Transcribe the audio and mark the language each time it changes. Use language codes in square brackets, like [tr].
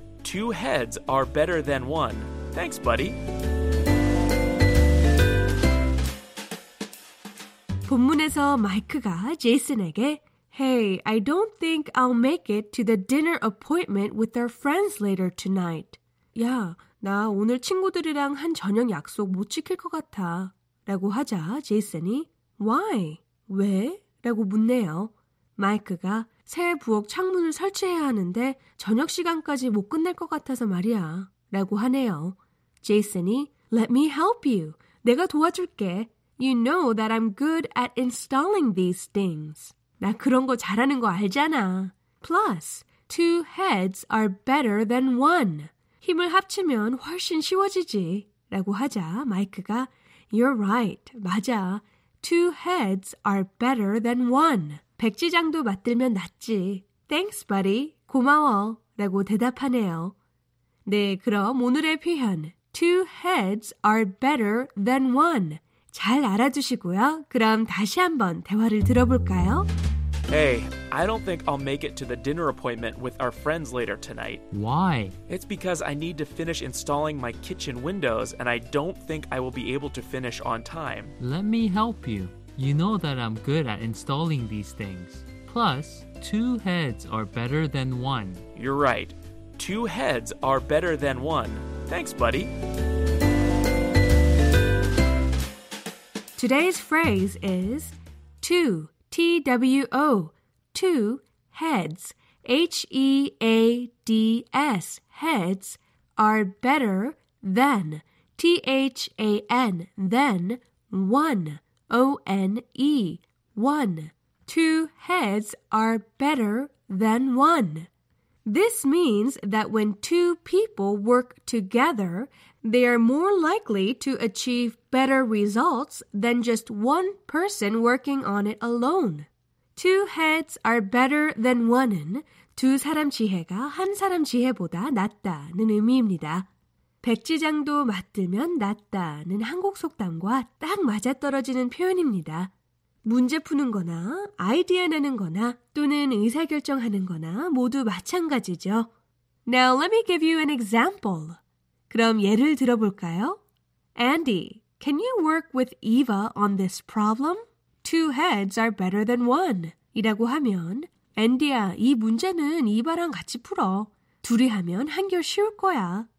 [en] Two heads are better than one. Thanks, buddy. [ko] 본문에서 마이크가 제이슨에게 [en] Hey, I don't think I'll make it to the dinner appointment with our friends later tonight. [ko] 야, 나 오늘 친구들이랑 한 저녁 약속 못 지킬 것 같아. 라고 하자 제이슨이 [en] Why? [ko] 왜? 라고 묻네요. 마이크가 새 부엌 창문을 설치해야 하는데 저녁 시간까지 못 끝낼 것 같아서 말이야 라고 하네요. [en] 제이슨이 Let me help you. [ko] 내가 도와줄게. [en] You know that I'm good at installing these things. [ko] 나 그런 거 잘하는 거 알잖아. [en] Plus, two heads are better than one. [ko] 힘을 합치면 훨씬 쉬워지지 라고 하자 마이크가 [en] You're right. [ko] 맞아. [en] Two heads are better than one. [ko] 백지장도 맞들면 낫지. [en] Thanks, buddy. [ko] 고마워. 라고 대답하네요. 네, 그럼 오늘의 표현 [en] Two heads are better than one. [ko] 잘 알아두시고요. 그럼 다시 한번 대화를 들어볼까요? [en] Hey, I don't think I'll make it to the dinner appointment with our friends later tonight. Why? It's because I need to finish installing my kitchen windows and I don't think I will be able to finish on time. Let me help you. You know that I'm good at installing these things. Plus, two heads are better than one. You're right. Two heads are better than one. Thanks, buddy. Today's phrase is two, T-W-O, two heads, H-E-A-D-S, heads are better than, T-H-A-N, than one. O-N-E, one. Two heads are better than one. This means that when two people work together, they are more likely to achieve better results than just one person working on it alone. Two heads are better than one [ko] 은 두 사람 지혜가 한 사람 지혜보다 낫다는 의미입니다. 백지장도 맞들면 낫다는 한국 속담과 딱 맞아떨어지는 표현입니다. 문제 푸는 거나 아이디어 내는 거나 또는 의사결정하는 거나 모두 마찬가지죠. [en] Now let me give you an example. [ko] 그럼 예를 들어볼까요? [en] Andy, can you work with Eva on this problem? Two heads are better than one. [ko] 이라고 하면 Andy야, 이 문제는 이바랑 같이 풀어. 둘이 하면 한결 쉬울 거야.